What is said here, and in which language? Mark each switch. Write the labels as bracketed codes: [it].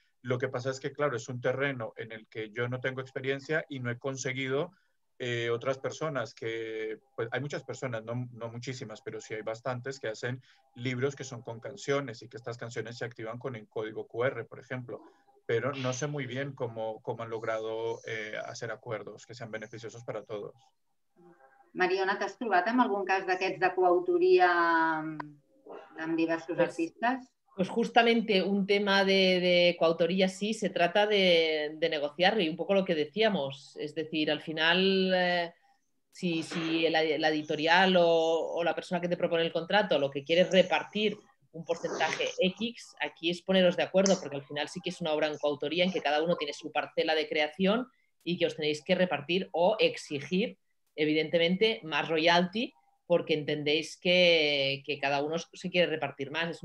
[es] Lo que pasa es que, claro, es un terreno en el que yo no tengo experiencia y no he conseguido otras personas que, pues hay muchas personas, no muchísimas, pero sí hay bastantes que hacen libros que son con canciones y que estas canciones se activan con el código QR, por ejemplo. Pero no sé muy bien cómo han logrado hacer acuerdos que sean beneficiosos para todos. [ca] Mariona, ¿t'has trobat en algun cas d'aquests de coautoria amb diversos artistes? [es] Pues justamente un tema de coautoría, sí, se trata de negociarlo y un poco lo que decíamos. Es decir, al final, si la editorial o la persona que te propone el contrato lo que quiere es repartir un porcentaje X, aquí es poneros de acuerdo, porque al final sí que es una obra en coautoría en que cada uno tiene su parcela de creación y que os tenéis que repartir o exigir, evidentemente, más royalty, porque entendéis que cada uno se quiere repartir más.